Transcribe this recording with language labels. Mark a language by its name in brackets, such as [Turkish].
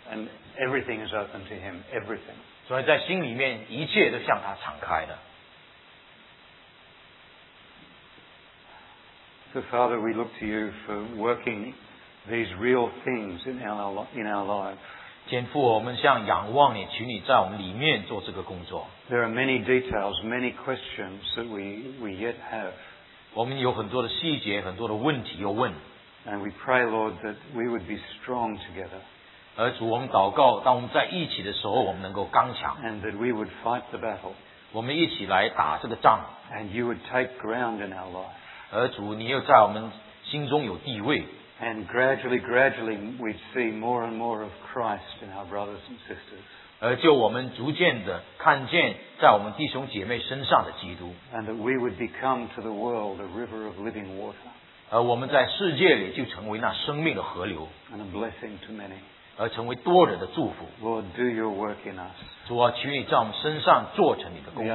[English] And everything is open to Him, everything. [Chinese] 所以在心里面一切都向他敞开的。 [English] So Father, we look to you for working these real things in our lives. [Chinese] 肩父我们向仰望你请你在我们里面做这个工作。 [English] There are many details, many questions that we yet have. [Chinese] 我们有很多的细节，很多的问题要问。 [English] And we pray, Lord, that we would be strong together. [Chinese] 而主我们祷告当我们在一起的时候我们能够刚强。 [English] And that we would fight the battle. [Chinese] 我们一起来打这个仗。 [English] And you would take ground in our life. [Chinese] 而主你又在我们心中有地位。 [English] And gradually we'd see more and more of Christ in our brothers and sisters. [Chinese] 而就我们逐渐地看见在我们弟兄姐妹身上的基督。 [English] And that we would become to the world a river of living water. [Chinese] 而我们在世界里就成为那生命的河流。 [English] And a blessing to many. [Chinese] 而成为多人的祝福。 [English] Lord, do your work in us. [Chinese] 主啊，求你在我们身上做成你的工作。